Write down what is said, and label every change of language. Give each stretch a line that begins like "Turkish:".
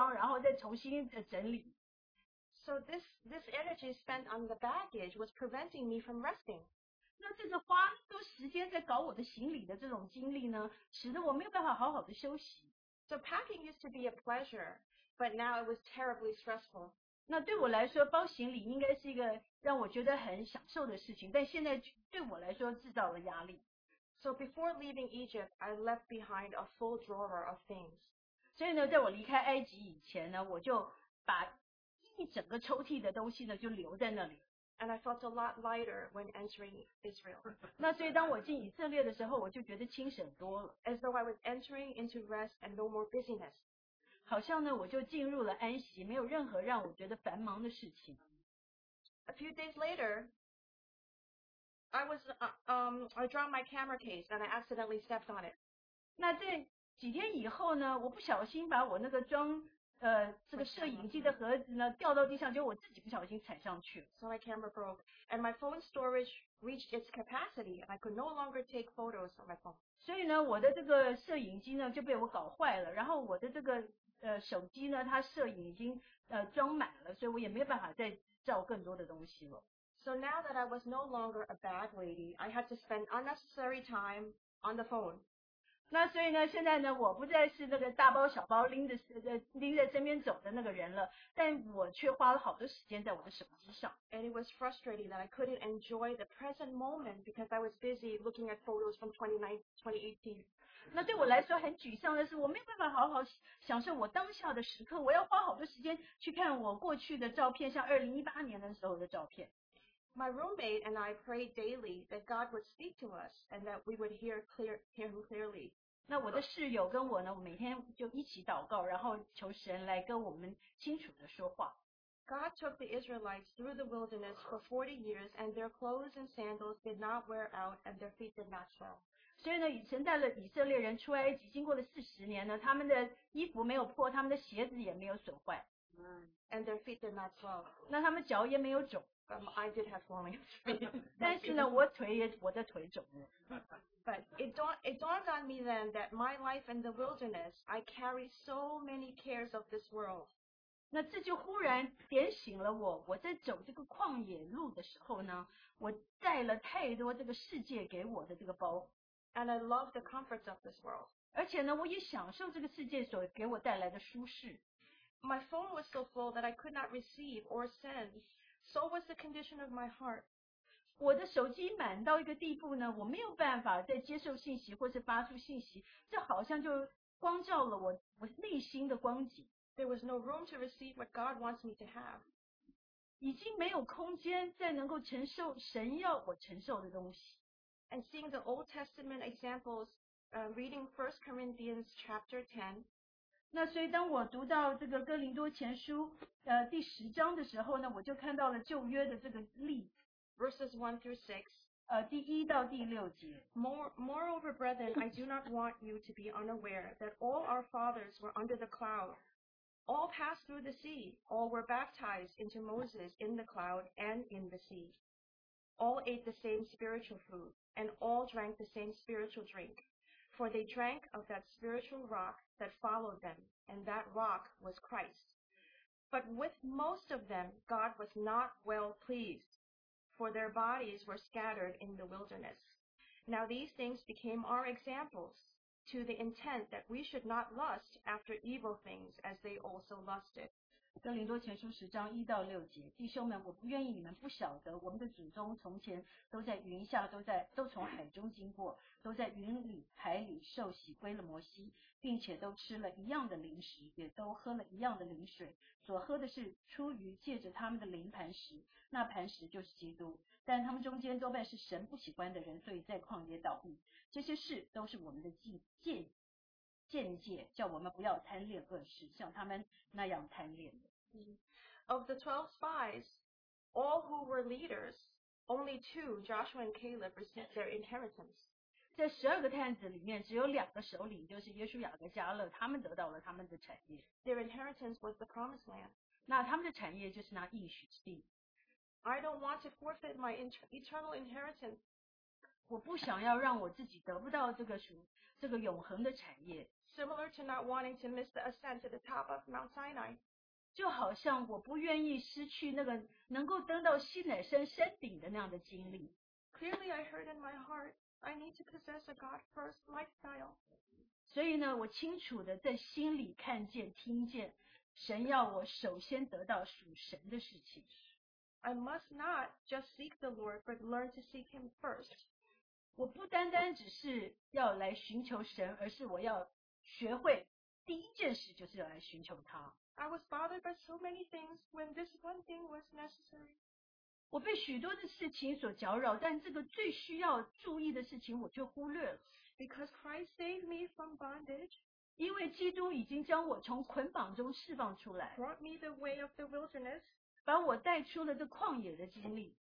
Chinese: 每天晚上为了要预备第二天所要用的，我就要花好多时间把行李打开，要重新包装，然后再重新整理。
English: So this energy spent on the baggage was preventing me from resting.
Chinese: 那这个花多时间在搞我的行李的这种经历呢，使得我没有办法好好的休息。
English: So packing used to be a pleasure, but now it was terribly stressful.
Chinese: 那对我来说，包行李应该是一个让我觉得很享受的事情，但现在对我来说制造了压力。
English: So before leaving Egypt, I left behind a full drawer of things.
Chinese: 所以呢，在我离开埃及以前呢，我就把一整个抽屉的东西呢就留在那里。
English: And I felt a lot lighter when entering Israel.
Chinese: 那所以当我进以色列的时候，我就觉得轻省多了。
English: As though I was entering into rest and no more busyness.
Chinese: 好像呢，我就进入了安息，没有任何让我觉得繁忙的事情。
English: A few days later, I dropped my camera case and I accidentally stepped on it.
Chinese: 那这几天以后呢，我不小心把我那个装这个摄影机的盒子呢掉到地上，就我自己不小心踩上去。
English: So my camera broke and my phone storage reached its capacity. I could no longer take photos on my phone.
Chinese: 所以呢，我的这个摄影机呢就被我搞坏了，然后我的这个手机呢，它摄影已经装满了，所以我也没办法再照更多的东西了。
English: So now that I was no longer a bad lady, I had to spend unnecessary time on the phone.
Chinese: 那所以呢，现在呢，我不再是那个大包小包拎在身边走的那个人了，但我却花了好多时间在我的手机上。
English: And it was frustrating that I couldn't enjoy the present moment because I was busy looking at photos from 2018.
Chinese: 那对我来说很沮丧的是，我没有办法好好享受我当下的时刻，我要花好多时间去看我过去的照片，像2018年的时候的照片。
English: My roommate and I prayed daily that God would speak to us and that we would hear him clearly.
Chinese: 那我的室友跟我呢，我每天就一起祷告，然后求神来跟我们清楚的说话。
English: God took the Israelites through the wilderness for 40 years and their clothes and sandals did not wear out and their feet did not swell.
Chinese: 所以呢，神带了以色列人出埃及，经过了40年呢，他们的衣服没有破，他们的鞋子也没有损坏。
English: And their feet did not swell.
Chinese: 那他们脚也没有肿。
English: I did have swelling.
Chinese: 但是呢，我的腿肿了。
English: But it dawned on me then that my life in the wilderness, I carry so many cares of this world.
Chinese: 那这就忽然点醒了我，我在走这个旷野路的时候呢，我带了太多这个世界给我的这个包。
English: And I love the comforts of this world.
Chinese: 而且呢，我也享受这个世界所给我带来的舒适。
English: My phone was so full that I could not receive or send. So was the condition of my heart.
Chinese: 我的手机满到一个地步呢，我没有办法再接受信息或是发出信息，这好像就光照了我内心的光景。
English: There was no room to receive what God wants me to have.
Chinese: 已经没有空间再能够承受神要我承受的东西。
English: And seeing the Old Testament examples, reading 1 Corinthians chapter 10,
Chinese: 那所以当我读到这个哥林多前书第十章的时候呢，我就看到了旧约的这个例子
English: ，verses 1-6，
Chinese: 第一到第六节。
English: Moreover, brethren, I do not want you to be unaware that all our fathers were under the cloud, all passed through the sea, all were baptized into Moses in the cloud and in the sea, all ate the same spiritual food and all drank the same spiritual drink. For they drank of that spiritual rock that followed them, and that rock was Christ. But with most of them, God was not well pleased, for their bodies were scattered in the wilderness. Now these things became our examples, to the intent that we should not lust after evil things as they also lusted.
Chinese: 哥林多前书十章一到六节，弟兄们，我不愿意你们不晓得，我们的祖宗从前都在云下，都从海中经过，都在云里海里受洗归了摩西，并且都吃了一样的灵食，也都喝了一样的灵水，所喝的是出于借着他们的灵磐石，那磐石就是基督。但他们中间多半是神不喜欢的人，所以在旷野祷告。这些事都是我们的见解叫我们不要贪恋恶事，像他们那样贪恋的。
English: Of the 12 spies, all who were leaders, only two, Joshua and Caleb, received their inheritance.
Chinese: 在十二个探子里面，只有两个首领，就是约书亚和加勒，他们得到了他们的产业。
English: Their inheritance was the promised land.
Chinese: 那他们的产业就是那应许之地。
English: I don't want to forfeit my eternal inheritance.
Chinese: 我不想要让我自己得不到这个永恒的产业。
English: Similar to not wanting to miss the ascent to the top of Mount Sinai.
Chinese: 就好像我不愿意失去那个能够登到西乃山山顶的那样的经历。
English: Clearly I heard in my heart, I need to possess a God-first lifestyle.
Chinese: 所以呢，我清楚的在心里看见、听见，神要我首先得到属神的事情。
English: I must not just seek the Lord, but learn to seek Him first.
Chinese: 我不单单只是要来寻求神，而是我要学会第一件事就是要来寻求他。
English: I was bothered by so many things when this one thing was necessary.
Chinese: 我被许多的事情所搅扰，但这个最需要注意的事情我就忽略了。
English: Because Christ saved me from bondage.
Chinese: 因为基督已经将我从捆绑中释放出来。
English: Brought me the way of the wilderness.
Chinese: 把我带出了这旷野的经历。